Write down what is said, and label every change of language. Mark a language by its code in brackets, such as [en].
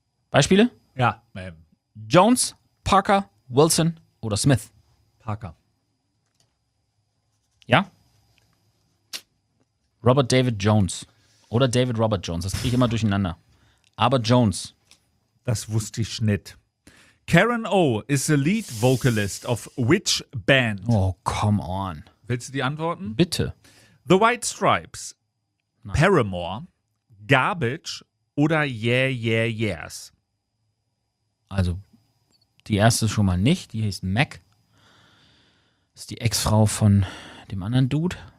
[de] Beispiele? Ja. Jones, Parker, Wilson oder Smith? Parker. Ja? Robert David Jones oder David Robert Jones, das kriege ich immer durcheinander. Aber Jones. Das wusste ich nicht. [en] Karen O is the lead vocalist of which band? Oh, come on. [de] Willst du die Antworten? Bitte. The White Stripes, nein. Paramore, Garbage oder Yeah, Yeah, Yeahs? Also, die erste schon mal nicht. Die hieß Mac. Das ist die Ex-Frau von dem anderen Dude.